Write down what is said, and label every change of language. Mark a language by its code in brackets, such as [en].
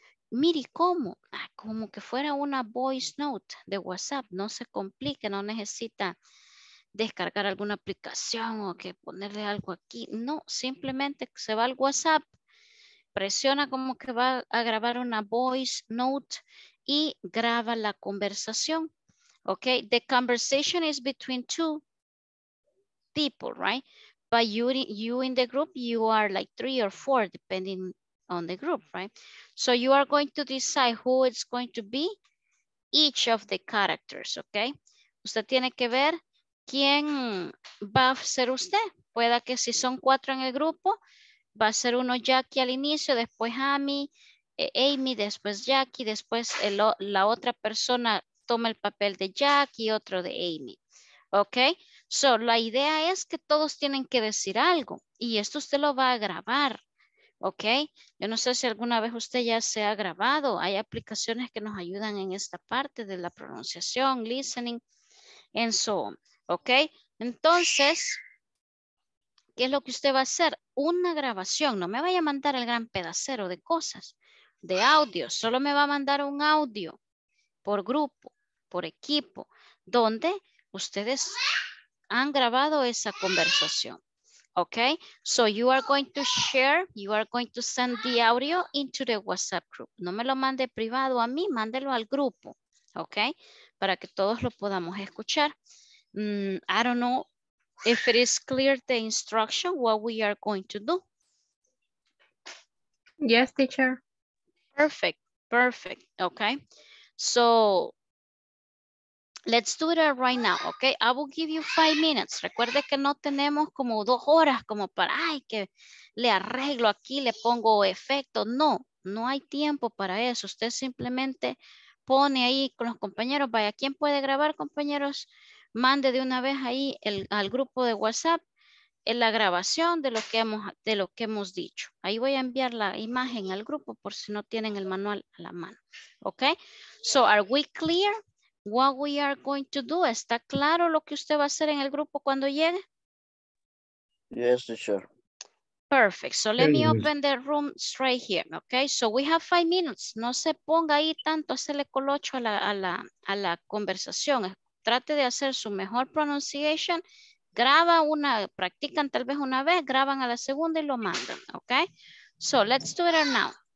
[es] Mire cómo, como que fuera una voice note de WhatsApp. No se complique, no necesita descargar alguna aplicación o que ponerle algo aquí. No, simplemente se va al WhatsApp, presiona como que va a grabar una voice note y graba la conversación. [en] Ok, the conversation is between two people, right? But you in the group, you are like 3 or 4, depending on the group, right? So you are going to decide who it's going to be, each of the characters, okay? [es] Usted tiene que ver quién va a ser usted. Pueda que si son 4 en el grupo, va a ser uno Jackie al inicio, después Amy, Amy, después Jackie, después la otra persona toma el papel de Jackie y otro de Amy. Ok, so la idea es que todos tienen que decir algo y esto usted lo va a grabar, ok. Yo no sé si alguna vez usted ya se ha grabado, hay aplicaciones que nos ayudan en esta parte de la pronunciación, [en] listening, and so on, [es] ok. Entonces, ¿qué es lo que usted va a hacer? Una grabación, no me vaya a mandar el gran pedacero de cosas, de audio, solo me va a mandar un audio por grupo, por equipo, donde ustedes han grabado esa conversación, ¿ok? [en] So you are going to share, you are going to send the audio into the WhatsApp group. [es] No me lo mande privado a mí, mándelo al grupo, ¿ok? Para que todos lo podamos escuchar. [en] I don't know if it is clear the instruction, what we are going to do. Yes, teacher. Perfect, perfect, ¿ok? So Let's do it right now, okay? I will give you 5 minutes. [es] Recuerde que no tenemos como 2 horas como para, ay, que le arreglo aquí, le pongo efecto. No, no hay tiempo para eso. Usted simplemente pone ahí con los compañeros. Vaya, ¿quién puede grabar, compañeros? Mande de una vez ahí el, al grupo de WhatsApp en la grabación de lo que hemos, de lo que hemos dicho. Ahí voy a enviar la imagen al grupo por si no tienen el manual a la mano. [en] Okay? So, are we clear what we are going to do? [es] ¿Está claro lo que usted va a hacer en el grupo cuando llegue? [en] Yes, sure. Perfect. So, let me open the room straight here. Okay? So, we have 5 minutes. [es] No se ponga ahí tanto a hacerle colocho a la, a la, a la conversación. Trate de hacer su mejor pronunciation. Graba una, practican tal vez una vez, graban a la segunda y lo mandan, ¿ok? [en] So, let's do it now.